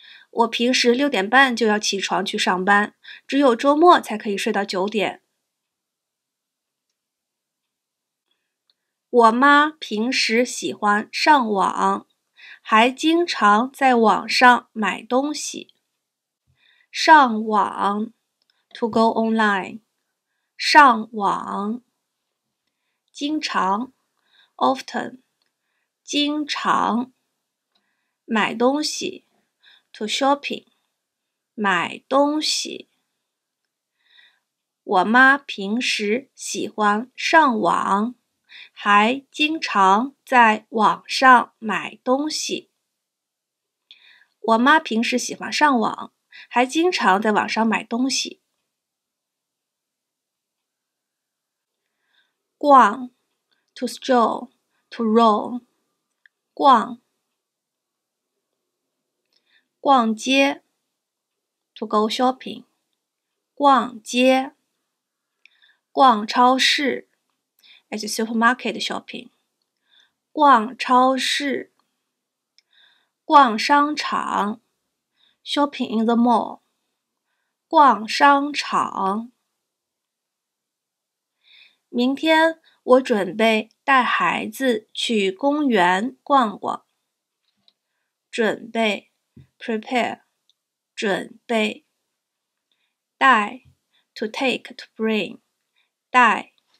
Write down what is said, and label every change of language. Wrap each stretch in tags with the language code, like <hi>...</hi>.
<zh>我平时6:30就要起床去上班，只有周末才可以睡到9点。我妈平时喜欢上网，还经常在网上买东西。</zh> <en>上网 ,to go online, 上网。</en> <zh>经常 ,</zh> <en>often,</en> <zh>经常。买东西 ,</zh> <en>to shopping,</en> <zh>买东西。我妈平时喜欢上网，还经常在网上买东西。我妈平时喜欢上网，还经常在网上买东西。</zh> <en>逛 ,to stroll, to roam, 逛。逛街 ,to go shopping, 逛街。逛超市at the supermarket shopping, 逛超市。逛商场 ,shopping in the mall, 逛商场。</en> <zh>明天我准备带孩子去公园逛逛。准备 ,</zh> <en>prepare,</en> <zh>准备。</zh> <en>带 ,to take, to bring, 带。</en>